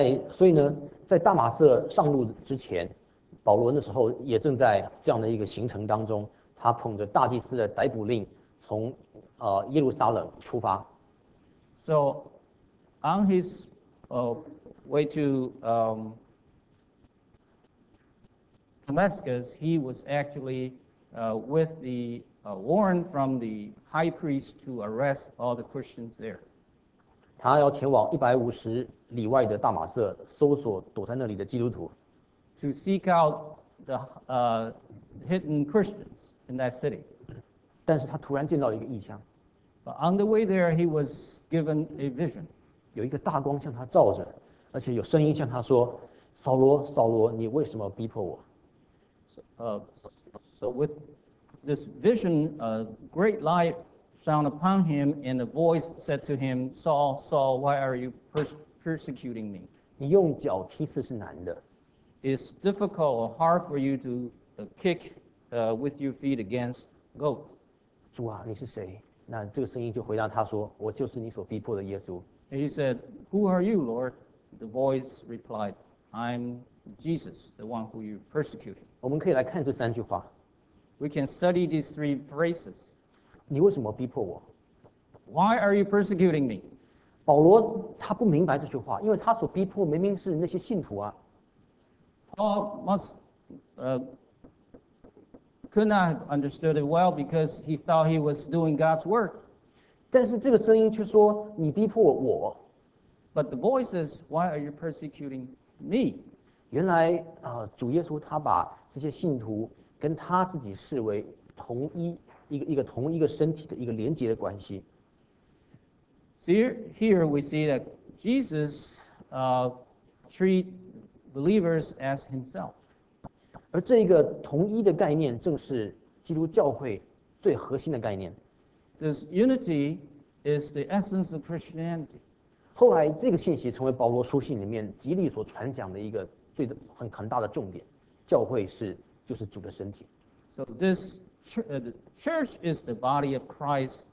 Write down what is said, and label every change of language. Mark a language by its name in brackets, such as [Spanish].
[Chinese] 所以呢，在大马色上路之前，保罗那时候也正在这样的一个行程当中，他捧着大祭司的逮捕令，从耶路撒冷出发。 [English] So, on his way to Damascus, he was actually with the warrant from the high priest to arrest all the Christians there. [Chinese] 他要前往150里外的大马色，搜索躲在那里的基督徒。 [English] To seek out the hidden Christians in that city. [Chinese] 但是他突然见到一个异象。 [English] But on the way there, he was given a vision. [Chinese] 有一个大光向他照着，而且有声音向他说：“扫罗，扫罗，你为什么逼迫我？” [English] So with this vision, a great light shone upon him, and a voice said to him, "Saul, Saul, why are you persecuting me?" [Chinese] 你用脚踢刺是难的。 [English] It's difficult or hard for you to kick with your feet against goats. [Chinese] 主啊，你是谁？那这个声音就回答他说：“我就是你所逼迫的耶稣。” [English] He said, "Who are you, Lord?" The voice replied, "I'm Jesus, the one who you persecuted." [Chinese] 我们可以来看这三句话。 [English] We can study these three phrases. [Chinese] 你为什么逼迫我？ [English] Why are you persecuting me? [Chinese] 保罗他不明白这句话，因为他所逼迫明明是那些信徒啊。 [English] Paul must could not have understood it well because he thought he was doing God's work. [Chinese] 但是这个声音却说你逼迫我。 [English] But the voice says, "Why are you persecuting me?" [Chinese] 原来主耶稣他把这些信徒跟他自己视为同一一个同一个身体的一个连结的关系。 [English] Here we see that Jesus treat believers as himself. [Chinese] 而这个同一的概念正是基督教会最核心的概念。 [English] This unity is the essence of Christianity. [Chinese] 后来这个信息成为保罗书信里面极力所传讲的一个最很大的重点，教会是就是主的身体。 [English] So this the church is the body of Christ.